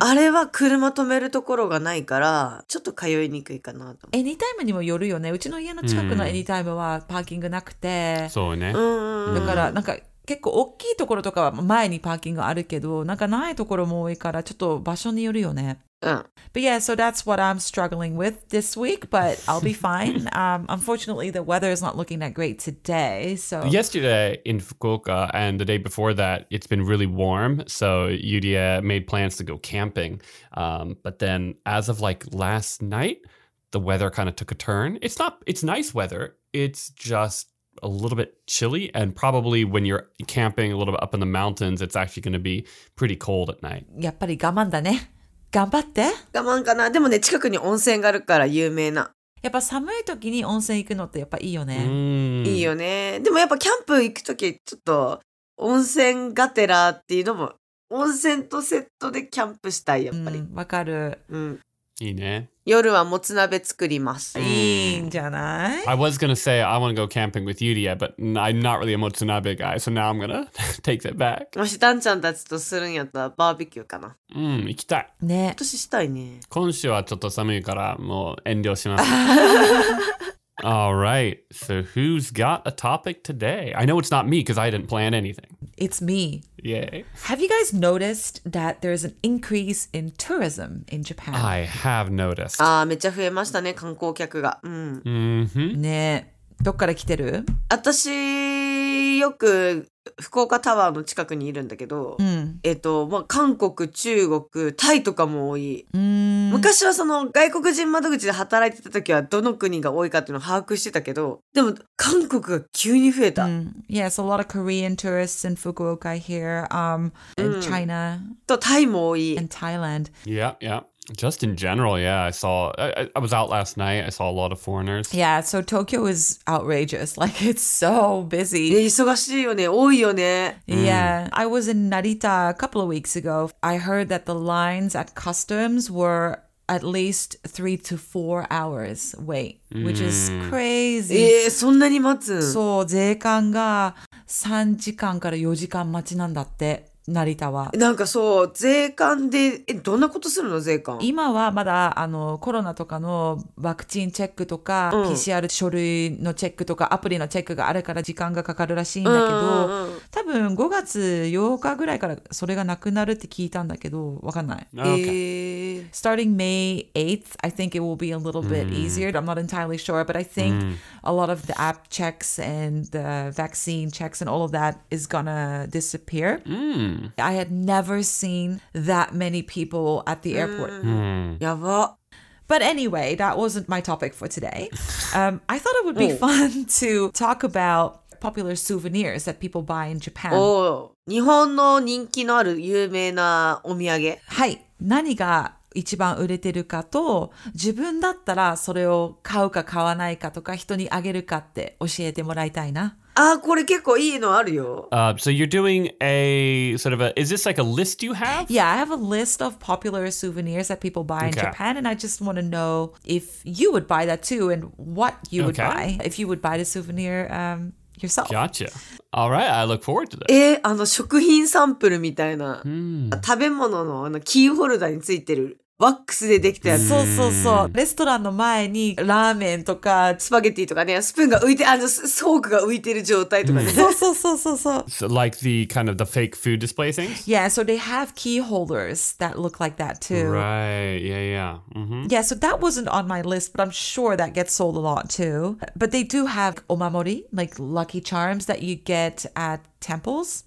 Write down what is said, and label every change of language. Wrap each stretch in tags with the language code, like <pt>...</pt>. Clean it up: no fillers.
<ja>あれは車止めるところがないから、ちょっと通いにくいかなと。エニタイムにもよるよね。うちの家の近くのエニタイムはパーキングなくて。そうね。だから、なんか結構大きいところとかは前にパーキングあるけど、なんかないところも多いから、ちょっと場所によるよね。うん。</ja> <en>But yeah, so that's what I'm struggling with this week, but I'll be fine. unfortunately, the weather is not looking that great today, so... Yesterday in Fukuoka and the day before that, it's been really warm, so Yuria made plans to go camping. But then as of like last night, the weather kind of took a turn. It's nice weather, it's just... a little bit chilly and probably when you're camping a little bit up in the mountains it's actually going to be pretty cold at night.</en> <ja>やっぱり我慢だね。頑張って。我慢かな。でもね、近くに温泉があるから有名な。やっぱ寒い時に温泉行くのってやっぱいいよね。いいよね。でもやっぱキャンプ行く時、ちょっと温泉がてらっていうのも、温泉とセットでキャンプしたい、やっぱり。わかる。うん。いいね。夜はもつ鍋作ります。いいんじゃない?</ja> <en>I was gonna say I wanna go camping with Yuria, but I'm not really a もつ鍋 guy, so now I'm gonna take that back.</en> <ja>もしダンちゃんたちとするんやったらバーベキューかな。うん、行きたい。ね。今年したいね。今週はちょっと寒いからもう遠慮します。</ja> <en>All right, so who's got a topic today? I know it's not me because I didn't plan anything. It's me. Yay. Have you guys noticed that there is an increase in tourism in Japan? I have noticed.</en> <ja>ああ、めっちゃ増えましたね、観光客が。うん。 Mm-hmm. ねえ、どっから来てる？私、よく福岡タワーの近くにいるんだけど、うん、まあ、韓国、中国、タイとかも多い。うーん、昔はその外国人窓口で働いてた時はどの国が多いかっていうのを把握してたけど、でも韓国が急に増えた。うん、</ja> <en>yes, a lot of Korean tourists in Fukuoka here, and China.</en> <ja>とタイも多い。</ja> <en>And Thailand. Yeah, yeah. Just in general, yeah, I saw, I was out last night, I saw a lot of foreigners. Yeah, so Tokyo is outrageous, like it's so busy.</en> <ja>忙しいよね、多いよね。</ja> <en>Yeah, I was in Narita a couple of weeks ago. I heard that the lines at customs were at least 3 to 4 hours wait, which is crazy.</en> <ja>そんなに待つ？そう、税関が3時間から4時間待ちなんだって。成田はなんかそう税関でどんなことするの税関今はまだあのコロナとかのワクチンチェックとか、うん、PCR 書類のチェックとかアプリのチェックがあるから時間がかかるらしいんだけど、うんうんうん、多分5月8日ぐらいからそれがなくなるって聞いたんだけどわかんない、</ja> <en>okay. Starting May 8th I think it will be a little bit easier I'm not entirely sure but I think a lot of the app checks and the vaccine checks and all of that is gonna disappear、I had never seen that many people at the airport. Yabba. But anyway, that wasn't my topic for today. I thought it would be fun to talk about popular souvenirs that people buy in Japan.</en> <ja>Oh, 日本の人気のある有名なお土産。はい。何が一番売れてるかと、自分だったらそれを買うか買わないかとか、人にあげるかって教えてもらいたいな。ああ、これ結構いいのあるよ。</ja> <en>So you're doing a sort of a, is this like a list you have? Yeah, I have a list of popular souvenirs that people buy in Japan, and I just want to know if you would buy that too, and what you would buy, if you would buy the souvenir yourself. Gotcha. All right, I look forward to that.</en> <ja>食品サンプルみたいな、食べ物のあのキーホルダーについてる。ワックスでできたやつ。そうそうそう。レストランの前にラーメンとかスパゲティとかね、スプーンが浮いて、あのフォークが浮いてる状態とかね。そうそうそうそうそう。</ja> <en>So, like the kind of the fake food display things? Yeah, so they have key holders that look like that too. Right, yeah, yeah.、Mm-hmm. Yeah, so that wasn't on my list, but I'm sure that gets sold a lot too. But they do have omamori, like lucky charms that you get at temples.</en>